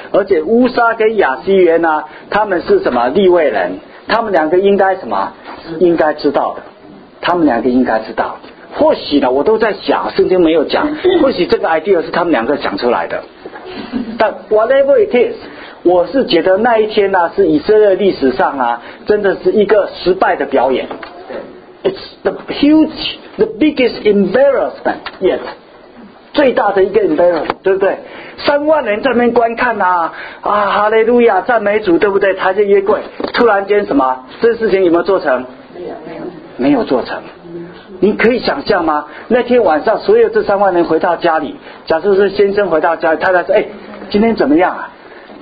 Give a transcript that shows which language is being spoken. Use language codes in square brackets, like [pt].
[zh] 而且乌撒跟亚西约呢，他们是什么利未人，他们两个应该什么应该知道的，他们两个应该知道。或许呢，我都在想，圣经没有讲，或许这个 idea 是他们两个想出来的。但 whatever it is，我是觉得那一天呢、啊，是以色列历史上啊，真的是一个失败的表演。 [en] It's the huge, the biggest embarrassment yet. [zh] 最大的一个 embarrassment, 对不对？三万人在那边观看啊，啊，哈利路亚，赞美主，对不对？抬着约柜，突然间什么？这事情有没有做成？没有做成。你可以想象吗？那天晚上，所有这三万人回到家里，假设是先生回到家里，太太说：“哎，今天怎么样啊？”